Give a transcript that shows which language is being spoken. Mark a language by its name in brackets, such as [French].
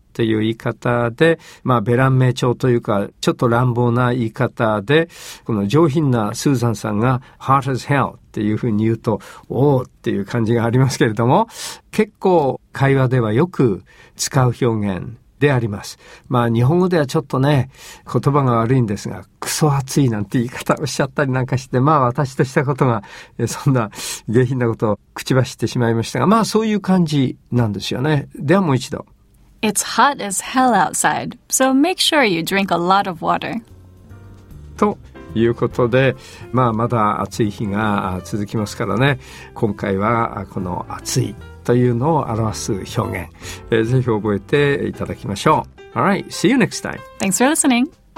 [Japanese] という言い方で、まあ、ベラン名調というか、ちょっと乱暴な言い方で、この上品なスーザンさんが、hot as hell っていうふうに言うと、おおっていう感じがありますけれども、結構会話ではよく使う表現であります。まあ、日本語ではちょっとね、言葉が悪いんですが、クソ熱いなんて言い方をおっしゃったりなんかして、まあ、私としたことが、そんな下品なことを口走ってしまいましたが、まあ、そういう感じなんですよね。ではもう一度。 [English] It's hot as hell outside, so make sure you drink a lot of water. [Japanese] ということで、まあ、まだ暑い日が続きますからね。今回はこの暑いというのを表す表現、ぜひ覚えていただきましょう。 [English] Alright, see you next time. Thanks for listening.